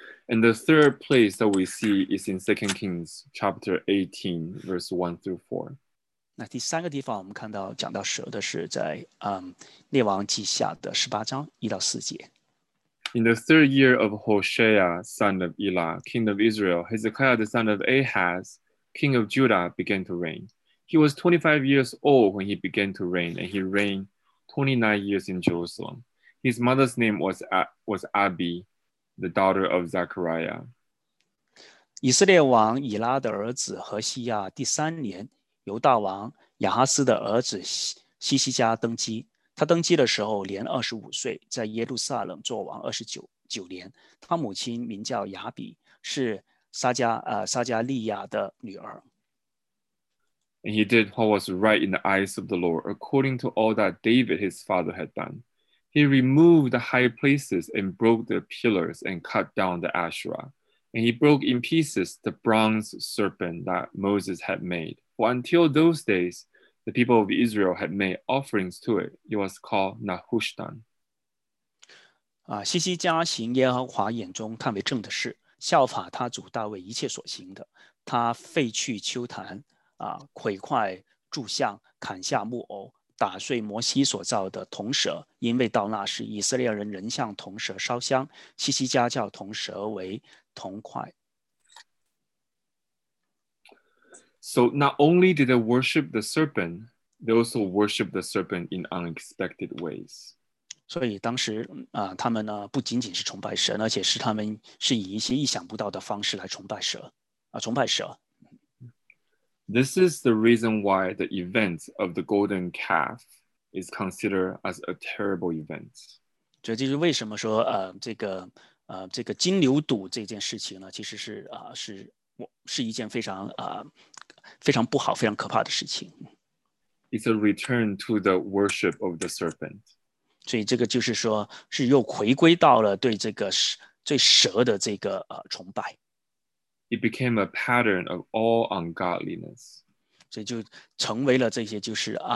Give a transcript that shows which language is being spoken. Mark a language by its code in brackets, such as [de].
[en] And the third place that we see is in 2 Kings chapter 18 verse 1 through 4. [zh] 那第三个地方我们看到讲到蛇的是在列王记下的十八章一到四节。 [en] In the third year of Hoshea, son of Elah, king of Israel, Hezekiah, the son of Ahaz, king of Judah, began to reign. He was 25 years old when he began to reign, and he reigned 29 years in Jerusalem. His mother's name was Abi, the daughter of Zechariah. [zh] 以色列王以拉的儿子何西亚第三年犹大王亚哈斯的儿子西西家登基，他登基的时候年25岁，在耶路撒冷作王29年。他母亲名叫雅比，是撒加利亚的女儿。 [en] And he did what was right in the eyes of the Lord, according to all that David his father had done. He removed the high places and broke the pillars and cut down the Asherah. And he broke in pieces the bronze serpent that Moses had made. For until those days, the people of Israel had made offerings to it. It was called Nahushtan. [zh] 西西家行耶和华眼中看为正的事，效法他祖大卫一切所行的。他废去丘坛，毁坏柱像，砍下木偶，打碎摩西所造的铜蛇，因为到那时以色列人仍向铜蛇烧香。西西家叫铜蛇为铜块。 [en] So not only did they worship the serpent, they also worshiped the serpent in unexpected ways. [zh] 所以当时他们呢不仅仅是崇拜蛇，而且是他们是以一些意想不到的方式来崇拜蛇。 [en] This is the reason why the event of the golden calf is considered as a terrible event. [zh] 这就是为什么说这个金牛犊这件事情呢，其实是一件非常不好、非常可怕的事情。 [en] It's a return to the worship of the serpent. [zh] 所以这个就是说，是又回归到了对这个对蛇的这个崇拜。 [en] It became a pattern of all ungodliness. [zh] 所以就成为了这些就是